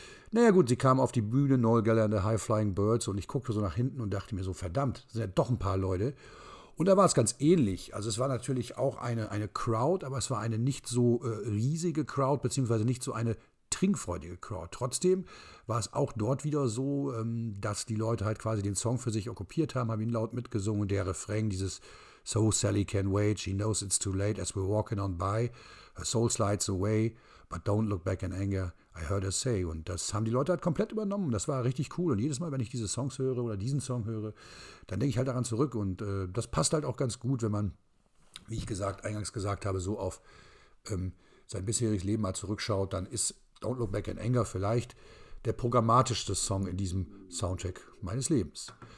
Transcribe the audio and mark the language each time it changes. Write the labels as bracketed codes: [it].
[de] Naja gut, sie kamen auf die Bühne, Noel Gallagher und der High Flying Birds und ich guckte so nach hinten und dachte mir so, verdammt, sind ja doch ein paar Leute. Und da war es ganz ähnlich. Also es war natürlich auch eine Crowd, aber es war eine nicht so riesige Crowd, beziehungsweise nicht so eine trinkfreudige Crowd. Trotzdem war es auch dort wieder so, dass die Leute halt quasi den Song für sich okkupiert haben, haben ihn laut mitgesungen. Der Refrain, dieses [en] So Sally can wait, she knows it's too late as we're walking on by, her soul slides away, but don't look back in anger, I heard her say. [de] Und das haben die Leute halt komplett übernommen. Das war richtig cool. Und jedes Mal, wenn ich diese Songs höre oder diesen Song höre, dann denke ich halt daran zurück. Und das passt halt auch ganz gut, wenn man, wie ich gesagt, eingangs gesagt habe, so auf sein bisheriges Leben mal zurückschaut, dann ist Don't Look Back in Anger vielleicht der programmatischste Song in diesem Soundtrack meines Lebens.